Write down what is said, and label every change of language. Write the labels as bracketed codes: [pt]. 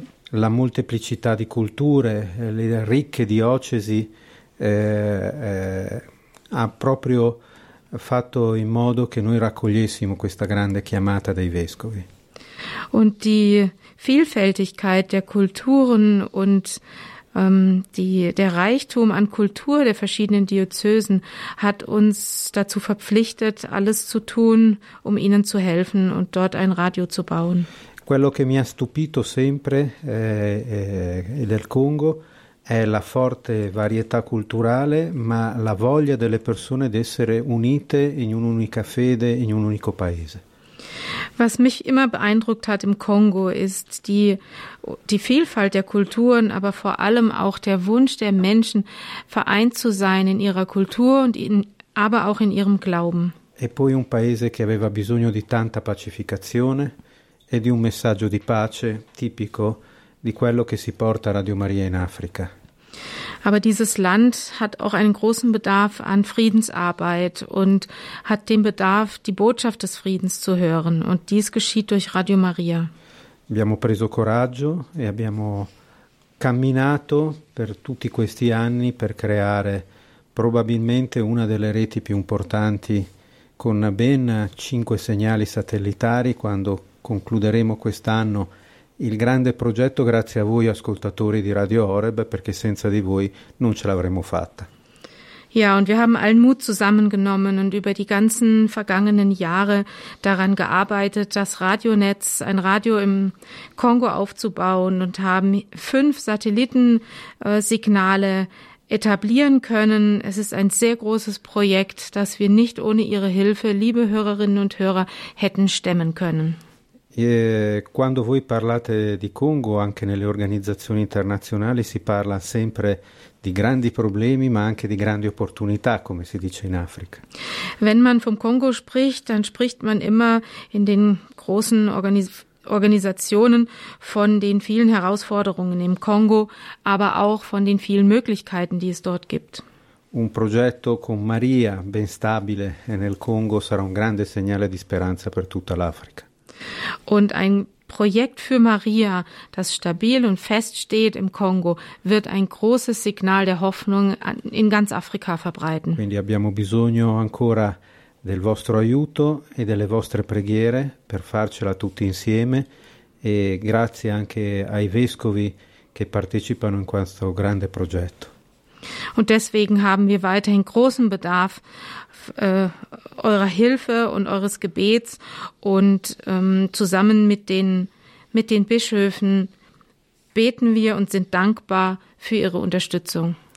[it] La molteplicità di culture, le ricche diocesi ha proprio fatto in modo che noi raccogliessimo questa grande chiamata dei vescovi. [de] Und die Vielfältigkeit der Kulturen und der Reichtum an Kultur der verschiedenen Diözesen hat uns dazu verpflichtet, alles zu tun, um ihnen zu helfen und dort ein Radio zu bauen. [it] Quello che mi ha stupito sempre del Congo è la forte varietà culturale, ma la voglia delle persone di essere unite in un'unica fede, in un unico paese. [de] Was mich immer beeindruckt hat im Kongo, ist die Vielfalt der Kulturen, aber vor allem auch der Wunsch der Menschen, vereint zu sein in ihrer Kultur und aber auch in ihrem Glauben. [it] E poi un paese che aveva bisogno di tanta pacificazione e di un messaggio di pace tipico di quello che si porta Radio Maria in Africa. [de] Aber dieses Land hat auch einen großen Bedarf an Friedensarbeit und hat den Bedarf, die Botschaft des Friedens zu hören. Und dies geschieht durch Radio Maria. [it] Abbiamo preso coraggio e abbiamo camminato per tutti questi anni per creare probabilmente una delle reti più importanti con ben 5 segnali satellitari quando concluderemo quest'anno il grande progetto grazie a voi ascoltatori di Radio Horeb, perché senza di voi non ce l'avremmo fatta. [de] Ja, und wir haben allen Mut zusammengenommen und über die ganzen vergangenen Jahre daran gearbeitet, das Radionetz, ein Radio im Kongo aufzubauen und haben 5 Satellitensignale etablieren können. Es ist ein sehr großes Projekt, das wir nicht ohne Ihre Hilfe, liebe Hörerinnen und Hörer, hätten stemmen können. [it] E quando voi parlate di Congo, anche nelle organizzazioni internazionali, si parla sempre di grandi problemi, ma anche di grandi opportunità, come si dice in Africa. [de] Wenn man vom Kongo spricht, dann spricht man immer in den großen Organisationen von den vielen Herausforderungen im Kongo, aber auch von den vielen Möglichkeiten, die es dort gibt. [it] Un progetto con Maria ben stabile nel Congo sarà un grande segnale di speranza per tutta l'Africa. [de] Und ein Projekt für Maria, das stabil und fest steht im Kongo, wird ein großes Signal der Hoffnung in ganz Afrika verbreiten. [it] Quindi abbiamo bisogno ancora del vostro aiuto e delle vostre preghiere per farcela tutti insieme. E grazie anche ai vescovi che partecipano in questo grande progetto. [de] Und deswegen haben wir weiterhin großen Bedarf eurer Hilfe und eures Gebets. Und zusammen mit den Bischöfen beten wir und sind dankbar für ihre Unterstützung.